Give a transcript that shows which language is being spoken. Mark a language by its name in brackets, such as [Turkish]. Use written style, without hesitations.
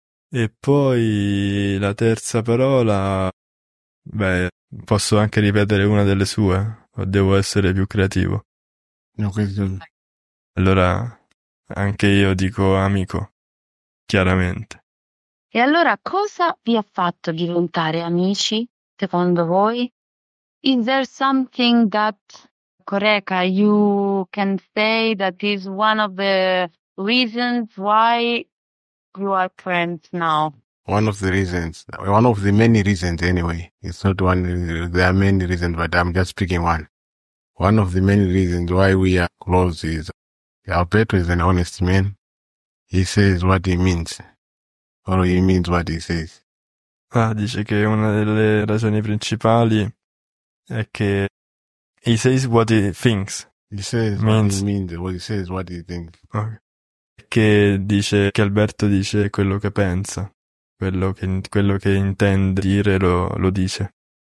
[Italian] E poi la terza parola, beh, posso anche ripetere una delle sue, o devo essere più creativo? No, questo... Allora, anche io dico amico, chiaramente. E allora, cosa vi ha fatto diventare amici, secondo voi? [English] Is there something that, Corega, you can say that is one of the reasons why you are friends now? One of the reasons. One of the many reasons, anyway. It's not one, there are many reasons, but I'm just picking one. One of the many reasons why we are close is Alberto is an honest man. He says what he means, or he means what he says. [Italian] Ah, dice che una delle ragioni principali è che [English] he says what he thinks. He says means. What he means, what he says, what he thinks. Okay. [Italian] Che dice che Alberto dice quello che pensa, quello che intende dire lo dice.